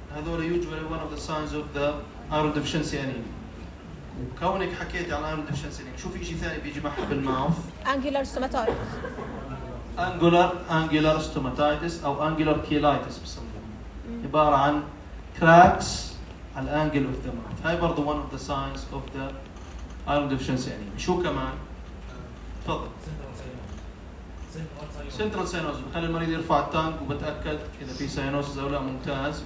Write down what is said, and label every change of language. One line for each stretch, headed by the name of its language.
Arabic: هذول
English: usually one of the signs of the iron deficiency anemia.
Arabic: وكونك حكيت على iron deficiency anemia. شو في شيء ثاني بيجي معها بالماوث؟
English: angular stomatitis. angular stomatitis
Arabic: أو angular keelitis بسموه. عبارة عن cracks على
English: angle of the mouth.
Arabic: هاي برضو
English: one of the signs of the iron deficiency anemia.
Arabic: شو كمان؟ تفضل.
English: Central cyanosis.
Arabic: بخلي المريض يرفع التانك وبتأكد إذا في ساينوز زولاء. ممتاز.